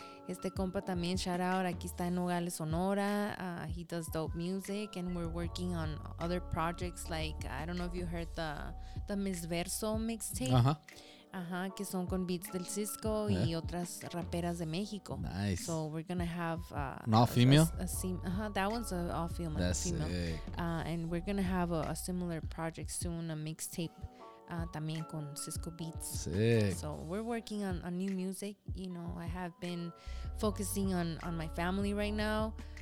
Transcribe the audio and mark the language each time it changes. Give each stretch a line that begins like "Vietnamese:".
Spanish: Este compa también, shout out, aquí está en Nogales, Sonora.
English: He does dope music, and we're working on other projects, like, I don't know if you heard the Miss Verso mixtape.
Spanish: Que son con beats del Cisco y otras raperas de México.
English: Nice. So we're gonna have that one's all female. That's female. Sick. And we're gonna have a similar project soon, a mixtape.
Spanish: También con Cisco Beats.
English: Sick. So we're working on new music. You know, I have been focusing on my family right now.